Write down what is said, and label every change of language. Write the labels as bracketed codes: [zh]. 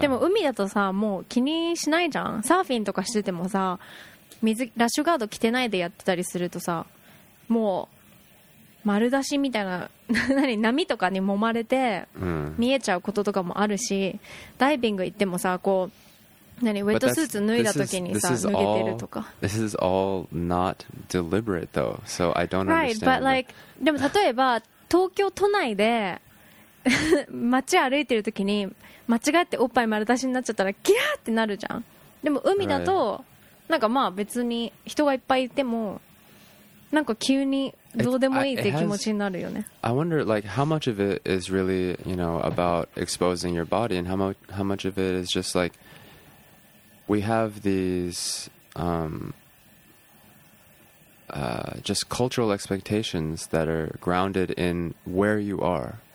[ja] でも海だとさもう気にしないじゃん。サーフィンとかしててもさ水ラッシュガード着てないでやってたりするとさもう丸出しみたいな何波とかに揉まれて見えちゃうこととかもあるし、うん、ダイビング行ってもさこう何ウェットスーツ脱いだ時にさ脱げてるとか。 [en] This is all not deliberate though, so I don't understand. Right, but like, [ja] でも例えば東京都内で街歩いてる時に間違っておっぱい丸出しになっちゃったらギャーってなるじゃん。でも海だと、なんかまあ別に人がいっぱいいてもなんか急にどうでもいいって気持ちになるよね。 [en] I wonder like how much of it is really, you know, about exposing your body and how much of it is just like,We have these just cultural expectations that are grounded in where you are.